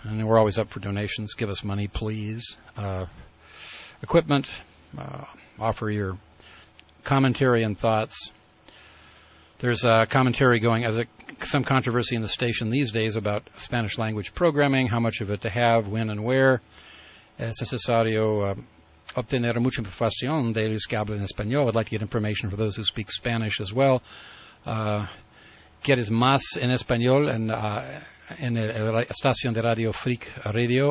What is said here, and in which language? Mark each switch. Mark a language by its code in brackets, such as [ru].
[en] And we're always up for donations. Give us money, please. Equipment, offer your commentary and thoughts. There's a commentary going, some controversy in the station these days about Spanish language programming, how much of it to have, when and where. [es] Es necesario obtener mucha información de los que hablan español. [en] I'd like to get information for those who speak Spanish as well. [es] ¿Quieres más en español en la estación de Radio Freak Radio?